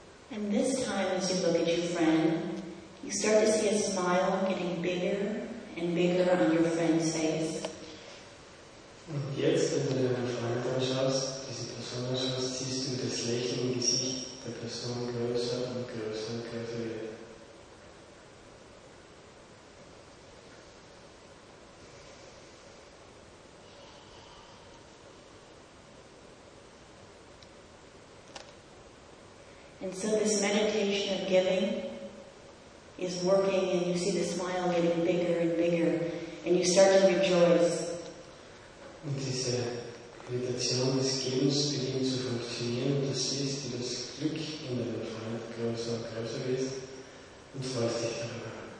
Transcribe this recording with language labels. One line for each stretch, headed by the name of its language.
English: And this time, as you look at your friend, you start to see a smile getting bigger and bigger on your friend's face.
German: Und jetzt, wenn du deinen Freund anschaust, diese Person anschaust, siehst du das Lächeln im Gesicht der Person größer und größer und größer wird.
English: And so this meditation of giving is working, and you see the smile getting bigger and bigger, and you start to rejoice.
German: Und diese Meditation des Gebens beginnt zu funktionieren, und du siehst, wie das Glück in deinem Freund größer und größer wird, und freust dich darüber.